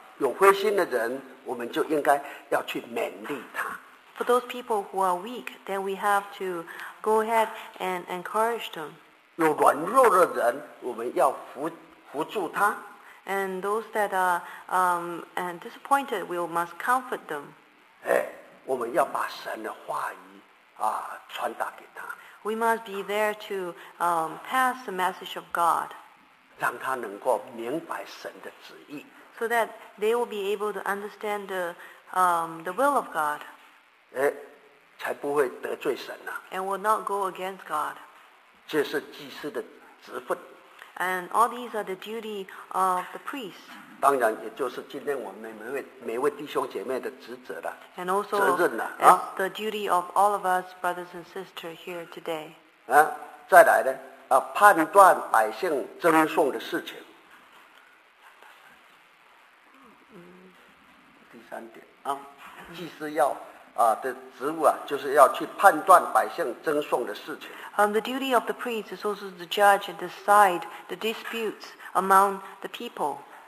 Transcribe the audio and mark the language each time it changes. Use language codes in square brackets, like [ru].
[zh] 有灰心的人，我们就应该要去勉励他。 [en] For those people who are weak, then we have to go ahead and encourage them. [zh] 有软弱的人，我们要扶助他。 [en] And those that are and disappointed, we must comfort them. [zh] 我们要把神的话语传达给他。 [en] We must be there to pass the message of God. [zh] 让他能够明白神的旨意。 [en] So that they will be able to understand the will of God. [zh] 才不会得罪神啊。 [en] And will not go against God. [zh] 这是祭司的职分。 [en] And all these are the duty of the priest. [zh] 当然也就是今天我们每位弟兄姐妹的职责了。 [en] And also, [zh] 责任了啊。 [en] The duty of all of us brothers and sisters here today. [zh] 啊，再来呢。啊，判断百姓争讼的事情。第三点啊，祭司要的职务啊，就是要去判断百姓争讼的事情。 [en] The duty of the priest is also to judge and decide the disputes among the people.